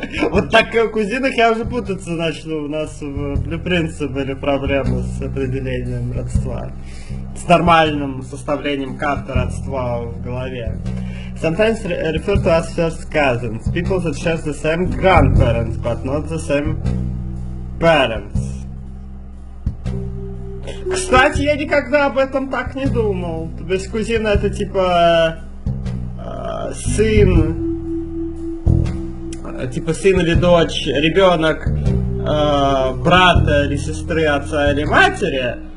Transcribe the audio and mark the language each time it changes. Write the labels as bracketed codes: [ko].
[ru] Вот так и у кузинок я уже путаться начал. У нас в блюпринце были проблемы с определением родства. С нормальным составлением карты родства в голове. [en] Sometimes refer to as first cousins. People that share the same grandparents, but not the same parents. [ru] Кстати, я никогда об этом так не думал. То есть кузина это типа сын. Типа сын или дочь, ребенок брата или сестры, отца или матери.